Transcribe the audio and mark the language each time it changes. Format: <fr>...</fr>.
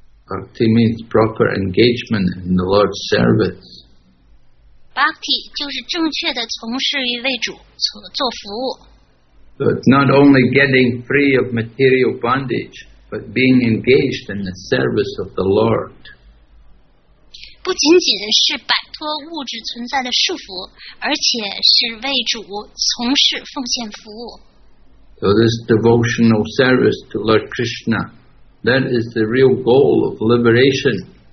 <en>Bhakti means proper engagement in the Lord's service.</en> <zh>Bhakti 就是正确的从事于为主做服务。</zh> <en>So it's not only getting free of material bondage, but being engaged in the service of the Lord.</en> <zh>不仅仅是摆脱物质存在的束缚，而且是为主从事奉献服务。</zh> <en>So this devotional service to Lord Krishna, that is the real goal of liberation.</en>